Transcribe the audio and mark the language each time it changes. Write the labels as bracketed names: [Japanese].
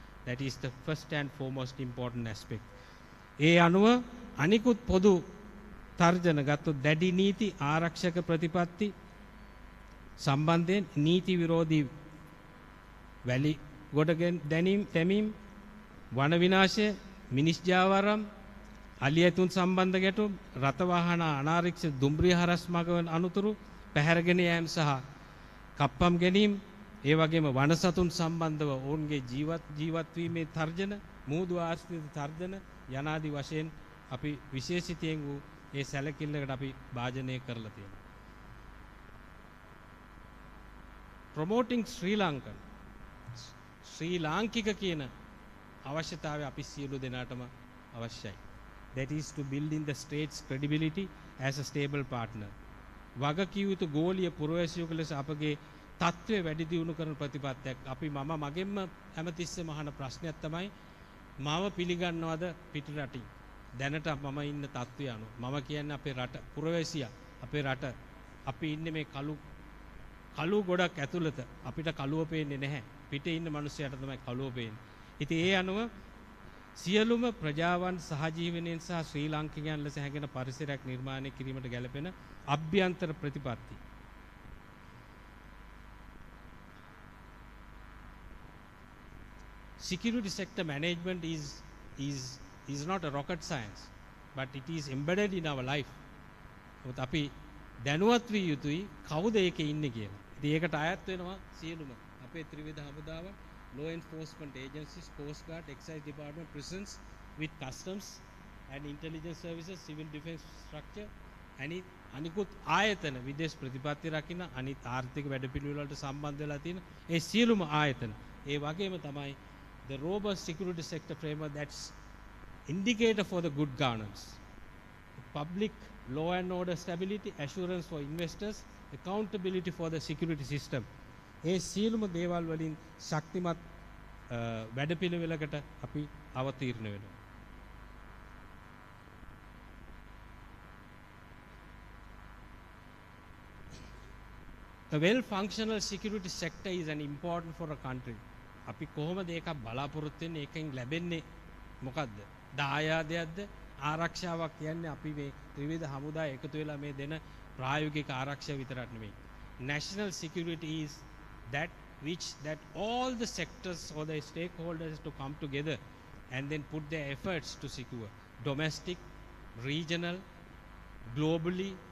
[English] That is the first and foremost important aspect. [Sinhala] ඒ අනුව අනිකුත් පොදු තර්ජන ගත්තොත් දැඩි නීති ආරක්ෂක ප්‍රතිපත්ති සම්බන්ධයෙන් නීති විරෝධී වැලි ගොඩගෙන දැනීම් තැමීම් වන විනාශය මිනිස් ජාවාරම් අලි ඇතුන් සම්බන්ධ ගැටුම් රථවාහන අනාරක්ෂිත දුම්රිය හරස් මගවන් අනතුරු පැහැරගෙන යෑම් සහ කප්පම් ගැනීම් ඒ වගේම වන සතුන් සම්බන්ධව ඔවුන්ගේ ජීවත්වීමේ තර්ජන මුහුදු ආශ්‍රිත තර්ජන යනාදී වශයෙන් අපි විශේෂිතයෙන් වූ ඒ සැලකිල්ලකට අපි භාජනය කරලා තියෙනවා. ප්‍රොමෝටිංග් ශ්‍රී ලංකන් ශ්‍රී ලාංකික කියන අවශ්‍යතාවය අපි සියලු දෙනාටම අවශ්‍යයි. [English] That is to build in the state's credibility as a stable partner. [Sinhala] වග කිව යුතු ගෝලීය පුරවැසියෙකු ලෙස අපගේ තත්ත්වය වැඩි දියුණු කරන ප්‍රතිපත්තියක් අපි මම මගෙන්ම හැමතිස්සෙම අහන ප්‍රශ්නයක් තමයි මාව පිළිගන්නවද පිටරටින්. දැනට මම ඉන්න තත්ත්වය අනුව මම කියන්නේ අපේ රට පුරවැසියා අපේ රට අපි ඉන්නේ මේ කළු ගොඩක් ඇතුළත අපිට කළුව පේන්නේ නැහැ. පිටේ ඉන්න මිනිස්සුන්ට තමයි කළුව පේන්නේ. ඉතින් ඒ අනුව සියලුම ප්‍රජාවන් සහජීවනයෙන් සහ ශ්‍රී ලාංකිකයන් ලෙස හැඟෙන පරිසරයක් නිර්මාණය කිරීමට ගැළපෙන අභ්‍යන්තර ප්‍රතිපත්ති. [English] Security sector management is not a rocket science, but it is embedded in our life. [Sinhala] ඔත අපි දැනුවත් විය යුතුයි කවුද ඒකේ ඉන්නේ කියලා. ඉතින් ඒකට අයත් වෙනවා සියලුම අපේ ත්‍රිවිධ හමුදාව, [English] law enforcement agencies, coast guard, excise department, prisons with customs and intelligence services, civil defense structure, [Sinhala] අනිකුත් ආයතන, විදේශ ප්‍රතිපත්ති රකින්න, අනිත් ආර්ථික වැඩපිළිවෙල වලට සම්බන්ධ වෙලා තියෙන ඒ සියලුම ආයතන. ඒ වගේම තමයි [English] the robust security sector framework that's indicator for the good governance. Public law and order stability, assurance for investors, accountability for the security system. [Sinhala] ඒ සියලුම දේවල් වලින් ශක්තිමත් වැඩපිළිවෙලකට අපි අවතීර්ණ වෙනවා. [English] A well-functional security sector is an important for a country. [Sinhala] අපි කොහොමද ඒක බලාපොරොත්තු වෙන්නේ? ඒකෙන් ලැබෙන්නේ මොකද්ද? දායාදයක්ද? ආරක්ෂාවක් කියන්නේ අපි මේ ත්‍රිවිධ හමුදා එකතු වෙලා මේ දෙන ප්‍රායෝගික ආරක්ෂාව විතරක් නෙමෙයි. [English] National security is that which that all the sectors or the stakeholders to come together and then put their efforts to secure domestic, regional, globally